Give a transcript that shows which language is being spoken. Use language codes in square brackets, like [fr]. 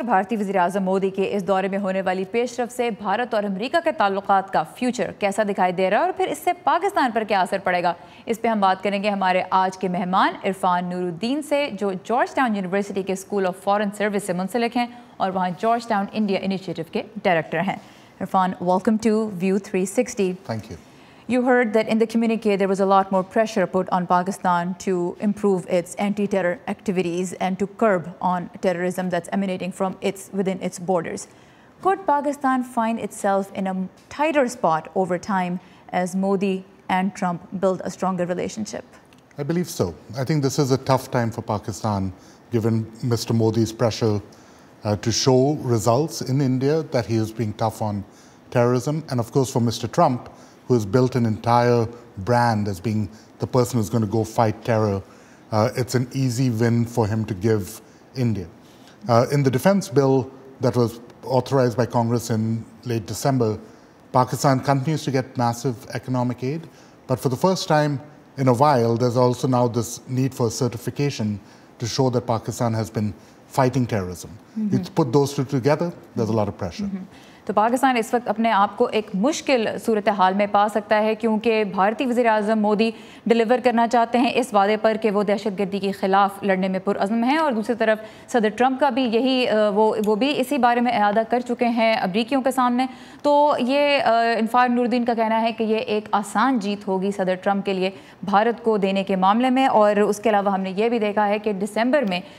[ur] بھارتی وزیراعظم مودی کے اس دورے میں ہونے والی پیش رفت سے بھارت اور امریکہ کے تعلقات کا فیوچر کیسا دکھائی دے رہا ہے اور پھر اس سے پاکستان پر کیا اثر پڑے گا، اس پہ ہم بات کریں گے ہمارے آج کے مہمان عرفان نور الدین سے جو جارج ٹاؤن یونیورسٹی کے اسکول آف فارن سروس سے منسلک ہیں اور وہاں جارج ٹاؤن انڈیا انیشیٹو کے ڈائریکٹر ہیں۔ Irfan, welcome to view 360۔ [en] Thank you. You heard that in the communique there was a lot more pressure put on Pakistan to improve its anti-terror activities and to curb on terrorism that's emanating from its within its borders. Could Pakistan find itself in a tighter spot over time as Modi and Trump build a stronger relationship? I believe so. I think this is a tough time for Pakistan given Mr. Modi's pressure to show results in India, that he is being tough on terrorism, and of course for Mr. Trump, who has built an entire brand as being the person who's going to go fight terror, it's an easy win for him to give India. In the defense bill that was authorized by Congress in late December, Pakistan continues to get massive economic aid, but for the first time in a while, there's also now this need for a certification to show that Pakistan has been fighting terrorism. Mm-hmm. You put those two together, there's a lot of pressure. Mm-hmm. [ur] تو پاکستان اس وقت اپنے آپ کو ایک مشکل صورتحال میں پا سکتا ہے، کیونکہ بھارتی وزیراعظم مودی ڈیلیور کرنا چاہتے ہیں اس وعدے پر کہ وہ دہشت گردی کے خلاف لڑنے میں پرعزم ہیں، اور دوسری طرف صدر ٹرمپ کا بھی یہی وہ بھی اسی بارے میں اعادہ کر چکے ہیں امریکیوں کے سامنے۔ تو یہ عرفان نور الدین کا کہنا ہے کہ یہ ایک آسان جیت ہوگی صدر ٹرمپ کے لیے بھارت کو دینے کے معاملے میں، اور اس کے علاوہ ہم نے یہ بھی دیکھا ہے کہ دسمبر میں